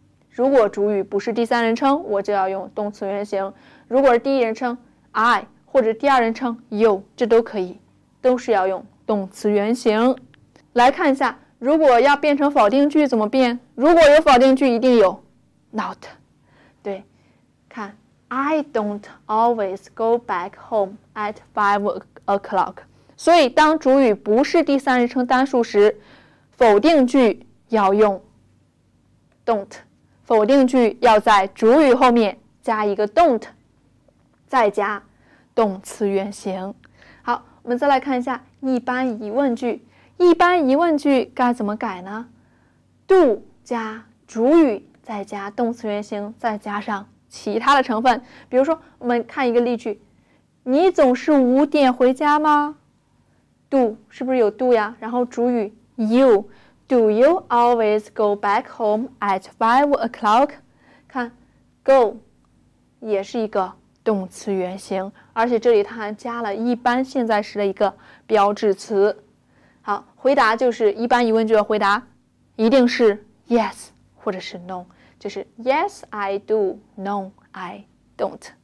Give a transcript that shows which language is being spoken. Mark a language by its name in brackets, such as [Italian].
[Chinese] 如果主语不是第三人称，我就要用动词原形。如果是第一人称 I 或者第二人称 you， 这都可以，都是要用动词原形。来看一下，如果要变成否定句怎么变？如果有否定句，一定有 not。对，看 [English] I don't always go back home at 5 o'clock。 [Chinese] 所以，当主语不是第三人称单数时，否定句要用 don't。否定句要在主语后面加一个 don't， 再加动词原形。好，我们再来看一下一般疑问句。一般疑问句该怎么改呢 ？do 加主语，再加动词原形，再加上其他的成分。比如说，我们看一个例句：你总是五点回家吗 ？do 是不是有 do 呀？然后主语 you。 [English] Do you always go back home at 5 o'clock? [Chinese] 看 ，go 也是一个动词原形，而且这里它还加了一般现在时的一个标志词。好，回答就是一般疑问句的回答，一定是 yes 或者是 no， 就是 [English] yes I do, no I don't。